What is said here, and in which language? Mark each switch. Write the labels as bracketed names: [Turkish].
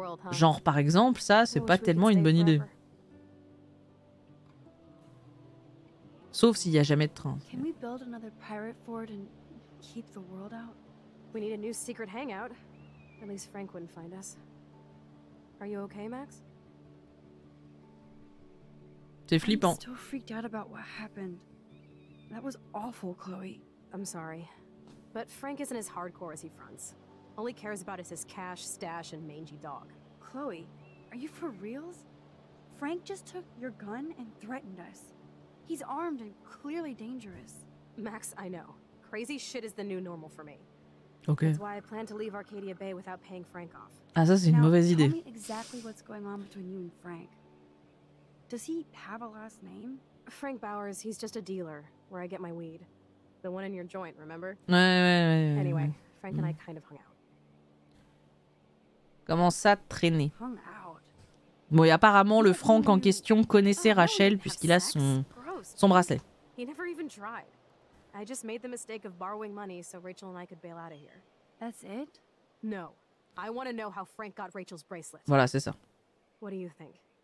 [French] Genre, par exemple, ça, c'est pas tellement une bonne idée. Sauf s'il n'y a jamais de train. [English] Can we build another pirate fort and keep the world out? We need a new secret hangout. At least Frank wouldn't find us. Are you okay, Max? [French] C'est flippant. [English] I'm still freaked out about what happened. That was awful, Chloe. I'm sorry. But Frank isn't as hardcore as he fronts. All he cares about is his cash, stash and mangy dog. Chloe, are you for reals? Frank just took your gun and threatened us. He's armed and clearly dangerous. Max, I know. Crazy shit is the new normal for me. Okay. That's why I plan to leave Arcadia Bay without paying Frank off. [French] Ah, ça, c'est une mauvaise idée. [English] Tell me exactly what's going on between you and Frank. Does he have a last name? Frank Bowers, he's just a dealer where I get my weed. The one in your joint, remember? Ouais. Anyway, Frank and I kind of hung out. [French] Comment ça, traîner? Bon, et apparemment, le Frank en question connaissait Rachel puisqu'il a son bracelet. [English] He never even tried. I just made the mistake of borrowing money so Rachel and I could bail out of here. That's it? No. I want to know how Frank got Rachel's bracelet. [French] Voilà, c'est ça. [English] What do you think?